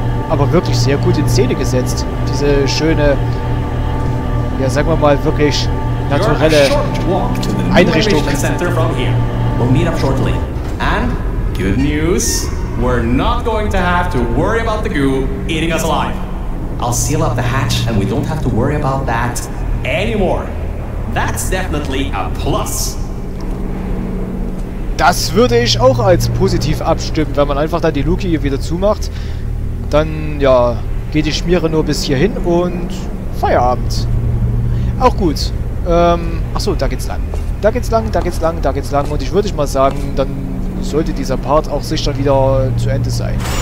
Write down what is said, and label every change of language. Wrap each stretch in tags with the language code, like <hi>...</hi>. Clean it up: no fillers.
<de>Aber wirklich sehr gut in Szene gesetzt. Diese schöne, ja sagen wir mal, wirklich naturelle Einrichtung.</de> <en>We'll meet up shortly. And good news, we're not going to have to worry about the goo eating us alive. I'll seal up the hatch and we don't have to worry about that anymore. That's definitely a plus.</en> <de>Das würde ich auch als positiv abstimmen, wenn man einfach da die Luke hier wieder zumacht. Dann, ja, geht die Schmiere nur bis hierhin und Feierabend. Auch gut. Achso, da geht's lang. Da geht's lang, da geht's lang, da geht's lang. Und ich würde mal sagen, dann sollte dieser Part auch sicher wieder zu Ende sein.</de>